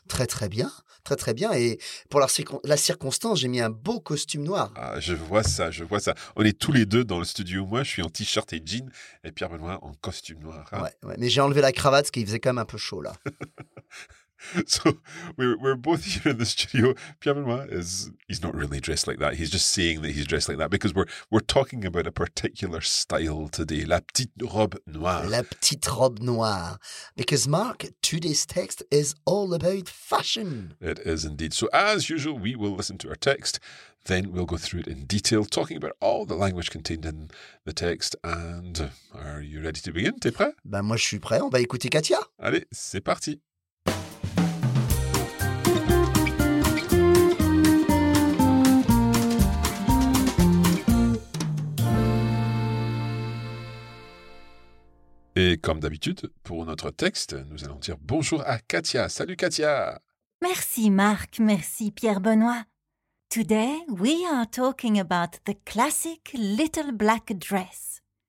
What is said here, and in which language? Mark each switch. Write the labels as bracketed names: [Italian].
[French] Très, très bien. Très, très bien. Et pour la circonstance, j'ai mis un beau costume noir. Ah, je vois ça, je vois ça. On est tous les deux dans le studio. Moi, je suis en t-shirt et jean et Pierre Benoît en costume noir. Hein. Ouais, ouais, mais j'ai enlevé la cravate parce qu'il faisait quand même un peu chaud là. [English] So we're both here in the studio. Pierre-Benoît is—he's not really dressed like that. He's just saying that he's dressed like that because we're talking about a particular style today. [French] La petite robe noire. La petite robe noire. [English] Because Marc, today's text is all about fashion. It is indeed. So as usual, we will listen to our text, then we'll go through it in detail, talking about all the language contained in the text. And are you ready to begin? [French] T'es prêt? Ben moi, je suis prêt. On va écouter Katia. Allez, c'est parti. Et comme d'habitude, pour notre texte, nous allons dire bonjour à Katia. Salut Katia! Merci Marc, merci Pierre-Benoît. [English] Today, we are talking about the classic little black dress.